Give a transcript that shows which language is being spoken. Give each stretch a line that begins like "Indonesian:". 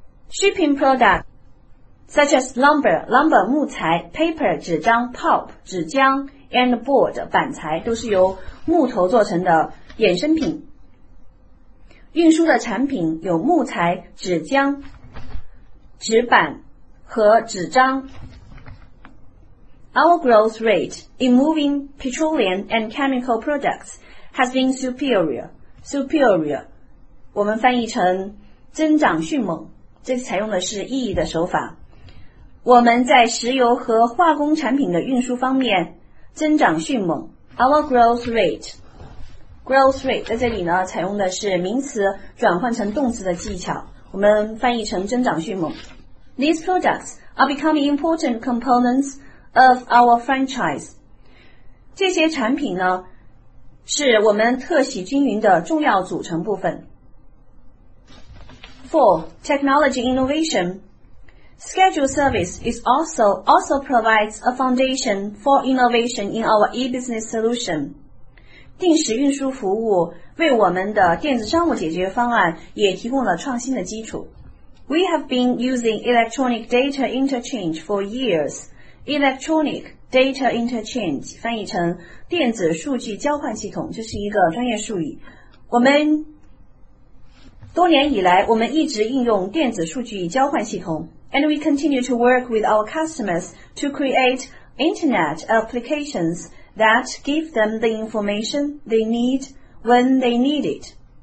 English: Shipping products such as lumber 木材 ，paper 纸张 ，pulp 纸浆 ，and board 板材
Chinese: 都是由木头做成的衍生品。运输的产品有木材、纸浆、纸板和纸张。
English: Our growth rate in moving petroleum and chemical products has been superior.
Chinese: Superior, 我们翻译成增长迅猛，这采用的是意义的手法。我们在石油和化工产品的运输方面增长迅猛。
English: Our growth rate growth rate
Chinese: 在这里呢采用的是名词转换成动词的技巧，我们翻译成增长迅猛。
English: These products are becoming important components of our franchise.
Chinese: 这些产品呢是我们特许经营的重要组成部分。
English: 4. Technology innovation. Schedule service is also provides a foundation for innovation in our e-business solution.
Chinese: 定时运输服务为我们的电子商务解决方案也提供了创新的基础。
English: We have been using electronic data interchange for years. Electronic data interchange
Chinese: 翻译成电子数据交换系统，这是一个专业术语。我们多年以来我们一直应用电子数据交换系统。
English: And we continue to work with our customers to create internet applications that give them the information they need when they need it.